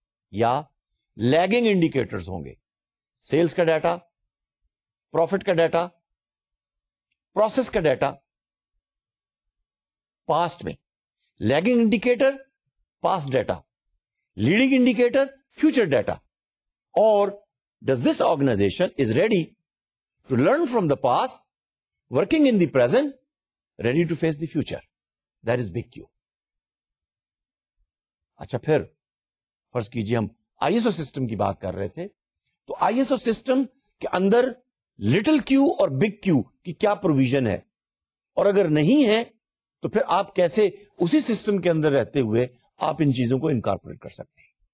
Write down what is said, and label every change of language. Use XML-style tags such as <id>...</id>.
<ur>یا lagging indicators ہوں گے سیلس کا ڈیٹا، پروفٹ کا ڈیٹا، پروسیس کا ڈیٹا پاسٹ میں، lagging indicator past data, leading indicator future data.</ur> <en>اور does this organization is ready to learn from the past working in the present ready to face the future that is big Q.</en> <ur>اچھا پھر فرض کیجیے ہم I S O system کی بات کر رہے تھے تو آئی ایس او سسٹم کے اندر لٹل کیو اور بگ کیو کی کیا پروویژن ہے اور اگر نہیں ہے تو پھر آپ کیسے اسی سسٹم کے اندر رہتے ہوئے آپ ان چیزوں کو انکارپوریٹ کر سکتے ہیں.</ur>